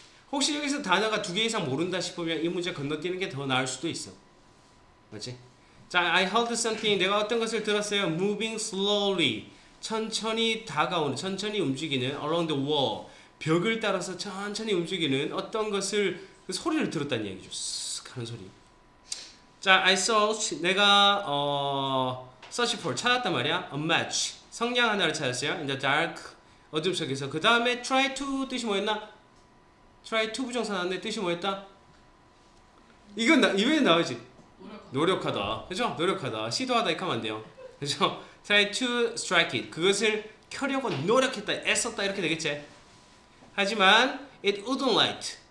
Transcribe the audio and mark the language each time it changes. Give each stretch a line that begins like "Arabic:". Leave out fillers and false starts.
Korean: 혹시 여기서 단어가 두개 이상 모른다 싶으면 이 문제 건너뛰는 게더 나을 수도 있어. 맞지? 자,
English: I heard something.
Korean: 내가 어떤 것을 들었어요?
English: Moving slowly.
Korean: 천천히 다가오는, 천천히 움직이는,
English: along the wall.
Korean: 벽을 따라서 천천히 움직이는 어떤 것을, 그 소리를 들었다는 얘기죠. 쓱 하는 소리. 자,
English: I searched.
Korean: 내가,
English: search for.
Korean: 찾았단 말이야.
English: A match.
Korean: 성냥 하나를 찾았어요.
English: In the dark.
Korean: 어둠 속에서. 그 다음에 try to 뜻이 뭐였나? try to 부정사 나왔는데 뜻이 뭐였다? 이건 나, 이외에 나오지. 노력하다. 그죠? 노력하다. 시도하다 이렇게 하면 안 돼요. 그죠?
English: try to strike it.
Korean: 그것을 켜려고 노력했다. 애썼다. 이렇게 되겠지.
English: 하지만 it wouldn't light.